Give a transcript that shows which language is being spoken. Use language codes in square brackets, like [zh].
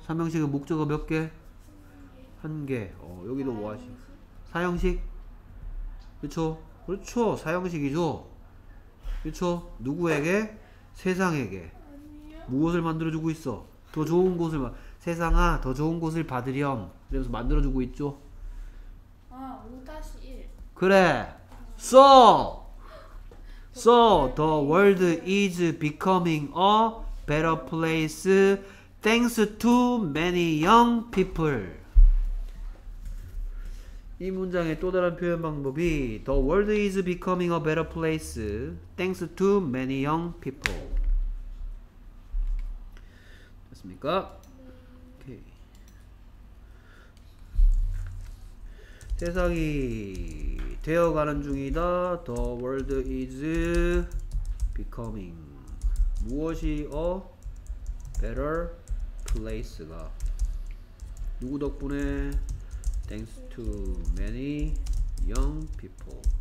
[ko] 삼형식의 목적어 몇 개? 한 개. 여기도 What이. 사형식? 그렇죠. 그렇죠. 사형식이죠. 그렇죠. 누구에게? 세상에게. 무엇을 만들어주고 있어? 더 좋은 곳을 세상아 더 좋은 곳을 받으렴 이러면서 만들어주고 있죠. 아, 5-1. 그래. [en] So, so the world is becoming a better place thanks to many young people. 이 문장의 또 다른 표현 방법이 The world is becoming a better place thanks to many young people. [ko] 됐습니까? 세상이 되어가는 중이다. [en] The world is becoming [ko] 무엇이 [en] a better place가 [ko] 누구 덕분에 [en] Thanks to many young people.